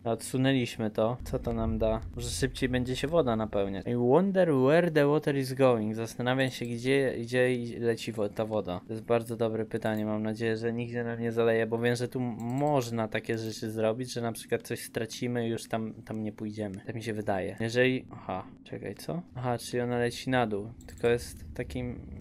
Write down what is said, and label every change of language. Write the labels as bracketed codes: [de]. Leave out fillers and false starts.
[pl] Odsunęliśmy to. Co to nam da? Może szybciej będzie się woda napełniać. [en] I wonder where the water is going. [pl] Zastanawiam się, gdzie leci ta woda. To jest bardzo dobre pytanie. Mam nadzieję, że nigdzie nam nie zaleje, bo wiem, że tu można takie rzeczy zrobić, że na przykład coś stracimy i już tam nie pójdziemy. Tak mi się wydaje. Jeżeli. Aha, czekaj, co? Aha, czyli ona leci na dół. Tylko jest takim.